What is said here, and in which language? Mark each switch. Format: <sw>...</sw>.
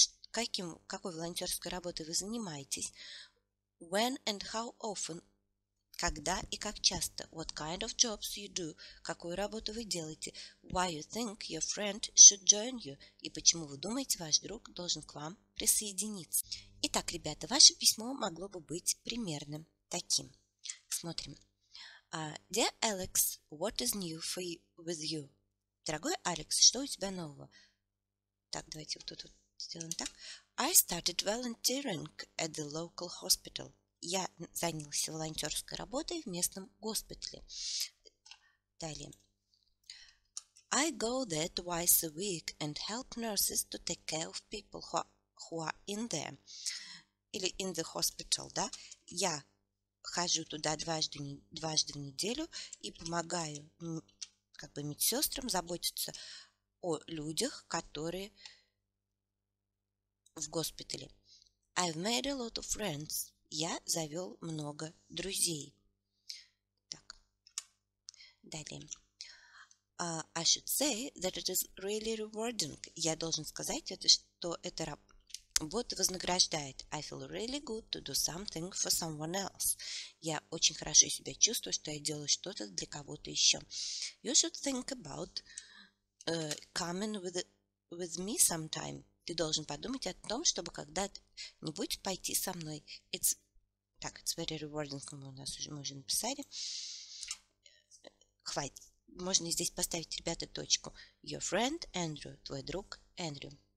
<ru>Какой волонтерской работой вы занимаетесь?</ru> <en>When and how often?</en> <ru>Когда и как часто?</ru> <en>What kind of jobs you do?</en> <ru>Какую работу вы делаете?</ru> <en>Why you think your friend should join you?</en> <ru>И почему вы думаете, ваш друг должен к вам присоединиться? Итак, ребята, ваше письмо могло бы быть примерным таким. Смотрим.</ru> <en>Dear Alex, what is new with you?</en> <ru>Дорогой Алекс, что у тебя нового? Так, давайте вот тут вот сделаем так.</ru> <en>I started volunteering at the local hospital.</en> <ru>Я занялся волонтерской работой в местном госпитале. Далее.</ru> <en>I go there twice a week and help nurses to take care of people who are in there.</en> <ru>Или</ru> <en>in the hospital,</en> <ru>да? Я хожу туда дважды в неделю и помогаю медсестрам заботиться о людях, которые в госпитале.</ru> <en>I've made a lot of friends.</en> <ru>Я завел много друзей. Так. Далее.</ru> <en>I should say that it is really rewarding.</en> <ru>Я должен сказать, что это работа вознаграждает.</ru> <en>I feel really good to do something for someone else.</en> <ru>Я очень хорошо себя чувствую, что я делаю что-то для кого-то еще.</ru> <en>You should think about coming with me sometime.</en> <ru>Ты должен подумать о том, чтобы когда-нибудь пойти со мной.</ru> <en>It's very rewarding,</en> <ru>мы уже написали. Хватит. Можно здесь поставить, ребята, точку.</ru> <en>Your friend Andrew.</en> <ru>Твой друг</ru> <en>Andrew.</en>